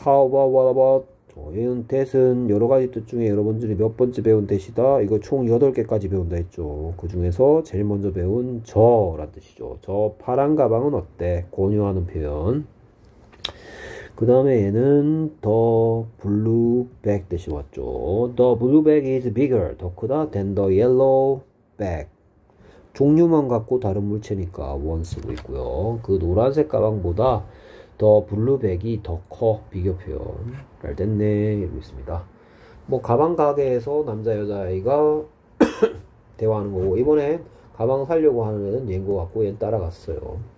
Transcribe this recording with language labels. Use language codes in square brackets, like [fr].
[ko] How about, what about? 얘는 that은 여러 가지 뜻 중에 여러분들이 몇 번째 배운 that이다? 이거 총 8개까지 배운다 했죠. 그 중에서 제일 먼저 배운 저란 뜻이죠. 저 파란 가방은 어때? 권유하는 표현. 그 다음에 얘는 더 블루 백 대신 왔죠. [en] The blue bag is bigger, [ko] 더 크다 [en] than the yellow bag. [ko] 종류만 갖고 다른 물체니까 원 쓰고 있고요. 그 노란색 가방보다 더 블루 백이 더 커. 비교 표현. 잘 됐네. 이러고 있습니다. 뭐 가방 가게에서 남자 여자 아이가 대화하는 거고 이번에 가방 사려고 하는 애는 얘인 거 같고 얘 따라갔어요.